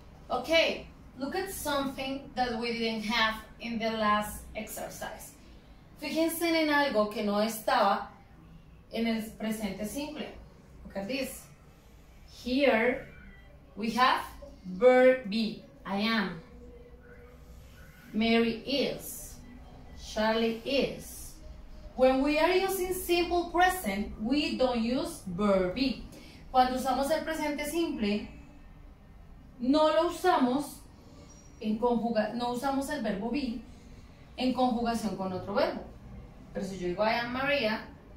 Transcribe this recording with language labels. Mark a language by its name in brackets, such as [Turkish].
[English] Okay, look at something that we didn't have in the last exercise. [Spanish] Fíjense en algo que no estaba en el presente simple. [English] Look at this. Here we have verb be. I am. Mary is. Charlie is. When we are using simple present, we don't use verb be. [Spanish] Cuando usamos el presente simple, no lo usamos en no usamos el verbo be en conjugación con otro verbo. Pero si yo digo [English] I am Maria,